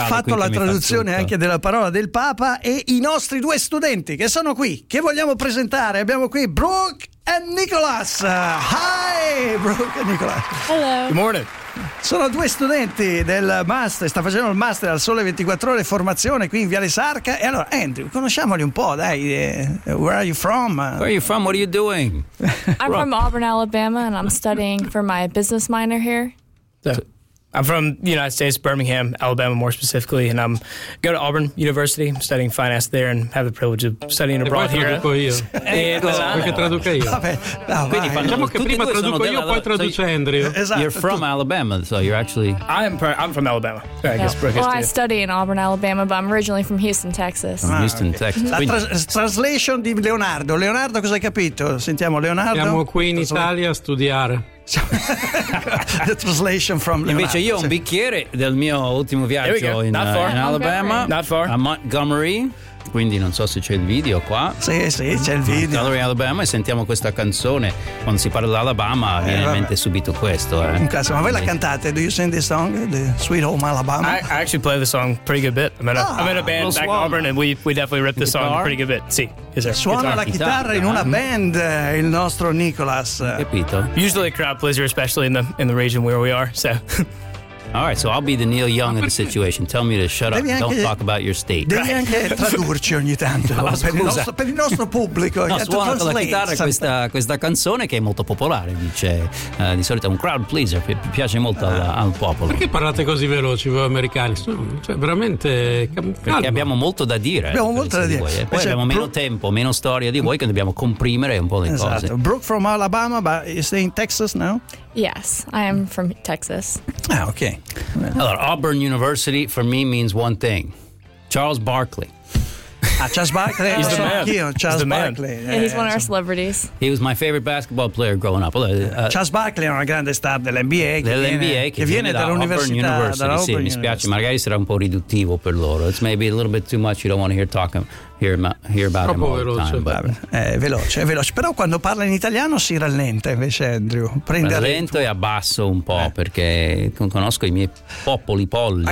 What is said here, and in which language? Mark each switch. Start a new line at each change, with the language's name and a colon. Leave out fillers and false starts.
Italian: Ha fatto la traduzione anche della parola del Papa e i nostri due studenti che sono qui, che vogliamo presentare. Abbiamo qui Brooke e Nicholas.
English: Hi,
Italian: Brooke e Nicholas.
English: Hello. Good morning.
Italian: Sono due studenti del master, sta facendo il master al Sole 24 Ore formazione qui in Viale Sarca. E allora, Andrew, conosciamoli un po', dai.
English: Where are you from? Where are you from? What are you doing? I'm from Auburn, Alabama, and I'm studying for my business minor here. I'm from the United States, Birmingham, Alabama, more specifically, and I'm go to Auburn University, studying finance there, and have the privilege of studying abroad here.
Italian: E poi traduco io. Perché traduco io. Quindi diciamo che prima traduco io, poi traduce Andrew. Esatto.
English: You're from Alabama, so you're actually... I'm from Alabama. Well, I study in Auburn, Alabama, but I'm originally from Houston, Texas. From Houston, Texas.
Italian: La translation di Leonardo. Leonardo, cosa hai capito? Sentiamo Leonardo. Siamo qui in Italia a studiare.
English: The translation from Leonardo.
Italian: Invece io ho un bicchiere del mio ultimo viaggio in Alabama.
English: Not far.
Italian: A Montgomery. Quindi non so se c'è il video qua. Sì, c'è il video. Montgomery, Alabama, e sentiamo questa canzone. Quando si parla dell'Alabama viene in mente subito questo. Caso, ma voi la cantate?
English: Do you sing this song? The Sweet Home Alabama? I actually play the song pretty good bit. I'm in a band back in Auburn and we definitely rip the song pretty good bit.
Italian: Sì. Suona la chitarra in una band, il nostro Nicholas. Capito.
English: Usually a crowd pleaser, especially in the region where we are, so... All right, so I'll be the Neil Young of the situation. Tell me to shut up. Don't talk about your state.
Italian: Devi anche tradurci ogni tanto. Per il nostro pubblico. No, suona con la chitarra questa canzone che è molto popolare. Dice di solito è un crowd pleaser. Piace molto al popolo. Perché parlate così veloci voi americani? Cioè, veramente. Perché abbiamo molto da dire. Abbiamo molto da dire. Poi abbiamo meno tempo, meno storia di voi, che dobbiamo comprimere un po' le cose.
English: Brooke from Alabama, but you stay in Texas now? Yes, I am from Texas. Ah, okay.
Italian: Allora,
English: Auburn University for me means one thing. Charles Barkley. Ah, Charles Barkley. He's the man. Charles Barkley. Yeah, he's one of our celebrities. He was my favorite basketball player growing up.
Italian: Charles Barkley è una grande star dell'NBA. Che viene da Auburn University. Mi spiace, magari sarà un po' riduttivo per loro.
English: It's maybe a little bit too much. You don't want to hear about
Italian: troppo
English: him all
Italian: veloce.
English: The time. But...
Italian: È veloce. Però quando parla in italiano si rallenta invece, Andrew. Prende rallento e abbasso un po', perché conosco i miei popoli polli.